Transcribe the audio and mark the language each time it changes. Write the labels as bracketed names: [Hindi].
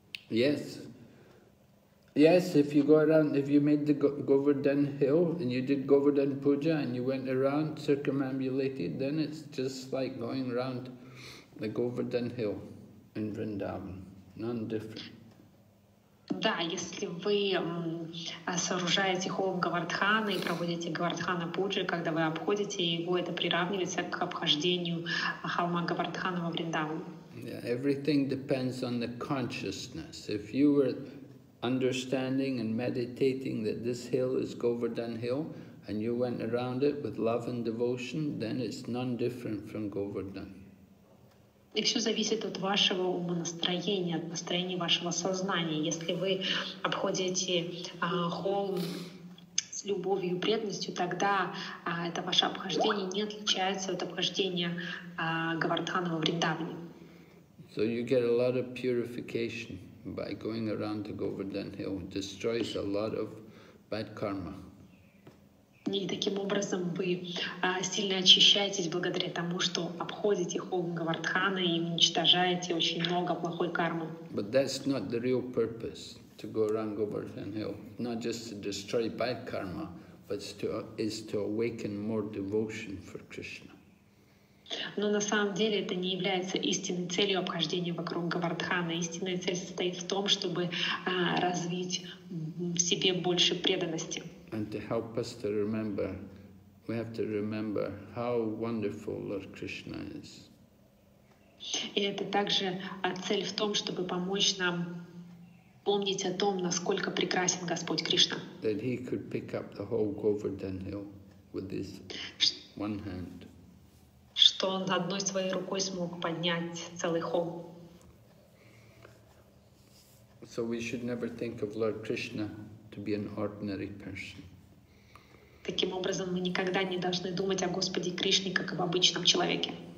[English] Yes. Yes, if you go around, if you made the Govardhan Hill and you did Govardhan Puja and you went around circumambulated, then it's just like going around the Govardhan Hill in Vrindavan. None different. [Russian] Да, если вы сооружаете холм Говардхана и проводите Говардхана Пуджи, когда вы обходите его, это приравнивается к обхождению холма Говардхана во Вриндаване. [English] Yeah, everything depends on the consciousness. If you were understanding and meditating that this hill is Govardhan Hill, and you went around it with love and devotion, then it's none different from Govardhan. [Russian] И все зависит от вашего умонастроения, от настроения вашего сознания. Если вы обходите холм с любовью и преданностью, тогда это ваше обхождение не отличается от обхождения Говардхана во Вриндаване. [English] So you get a lot of purification by going around the Govardhan Hill. It destroys a lot of bad karma. [Russian] И таким образом вы сильно очищаетесь благодаря тому, что обходите холм Говардхана и уничтожаете очень много плохой кармы. [English] But that's not the real purpose, to go around Govardhan Hill. Not just to destroy bad karma, but is to awaken more devotion for Krishna. [Russian] Но на самом деле это не является истинной целью обхождения вокруг Говардхана. Истинная цель состоит в том, чтобы развить в себе больше преданности. [English] And to help us to remember, we have to remember how wonderful Lord Krishna is. [Russian] И это также цель в том, чтобы помочь нам помнить о том, насколько прекрасен Господь Кришна. [English] That he could pick up the whole Govardhan Hill with his one hand. [Russian] Что он одной своей рукой смог поднять целый холм. [English] So we should never think of Lord Krishna to be an ordinary person. [Russian] Таким образом, мы никогда не должны думать о Господе Кришне как об обычном человеке.